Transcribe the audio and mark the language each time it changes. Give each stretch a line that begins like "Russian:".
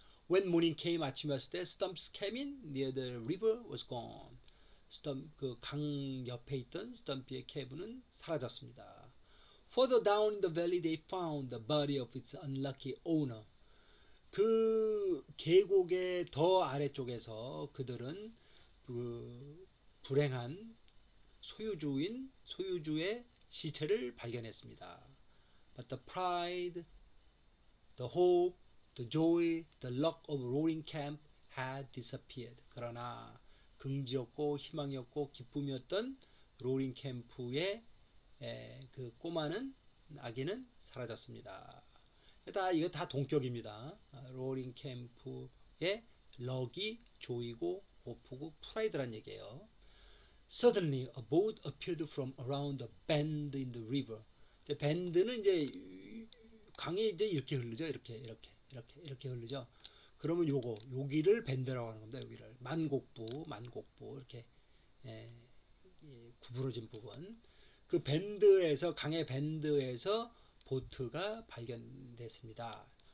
English: When morning came,
Korean: 아침이 왔을 때
English: Stumps cabin near the river was gone.
Korean: 강 옆에 있던 스텀피의 캐브는 사라졌습니다.
English: Further down in the valley, they found the body of its unlucky owner.
Korean: 그 계곡의 더 아래쪽에서 그들은 불행한 소유주의 시체를 발견했습니다.
English: But the pride, the hope, the joy, the luck of Roaring Camp had disappeared.
Korean: 그러나 긍지였고 희망이었고 기쁨이었던 로링 캠프의 그 꼬마는 아기는 사라졌습니다. 일단 이거 다 동격입니다. 로링 캠프의 럭이 조이고 고프고 프라이드란 얘기예요.
English: Suddenly, a boat appeared from around the bend in the river.
Korean: 밴드는 이제 강이 이제 이렇게 흐르죠. 이렇게 흐르죠. 그러면 요거 요기를 밴드라고 하는 겁니다. 여기를 만곡부 이렇게 구부러진 부분 그 밴드에서 강의 밴드에서 보트가 발견됐습니다.